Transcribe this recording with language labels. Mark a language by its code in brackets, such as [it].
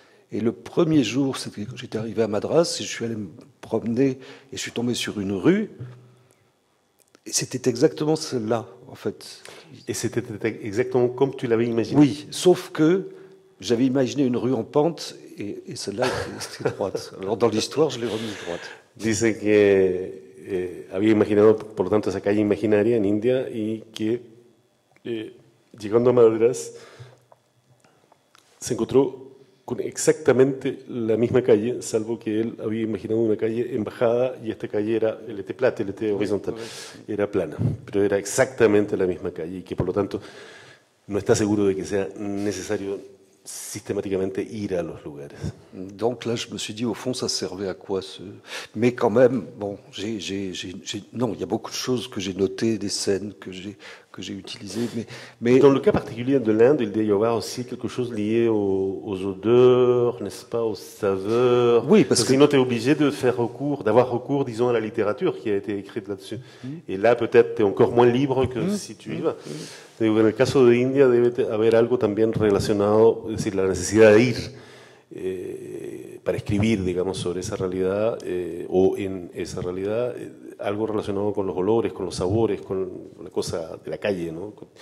[fr] Et le premier jour, c'était quand j'étais arrivé à Madras, et je suis allé me promener et je suis tombé sur une rue. Et c'était exactement celle-là, en fait. Et c'était exactement comme tu l'avais imaginé. Oui, sauf que j'avais imaginé une rue en pente et celle-là était droite. Alors dans l'histoire, je l'ai remise droite. [es] Dice que había imaginado, por lo tanto, esa calle imaginaria en India y que llegando a Madras se encontró con exactamente la misma calle, salvo que él había imaginado una calle embajada y esta calle era el eté plate, el eté horizontal, era plana, pero era exactamente la misma calle y que por lo tanto no está seguro de que sea necesario sistemáticamente ir a los lugares. [fr] Donc là, je me suis dit, au fond, ça servait à quoi ce... Mais quand même, bon, non, il y a beaucoup de choses que j'ai notées, des scènes que j'ai utilisées, mais... Dans le cas particulier de l'Inde, il doit y avoir aussi quelque chose lié aux odeurs, n'est-ce pas, aux saveurs. Oui, parce que... Sinon, tu es obligé d'avoir recours, disons, à la littérature qui a été écrite là-dessus. Mmh. Et là, peut-être, tu es encore moins libre que si tu y vas. Mmh. [es] En el caso de India debe haber algo también relacionado, es decir, la necesidad de ir para escribir, digamos, sobre esa realidad o en esa realidad, algo relacionado con los olores, con los sabores, con la cosa de la calle, ¿no?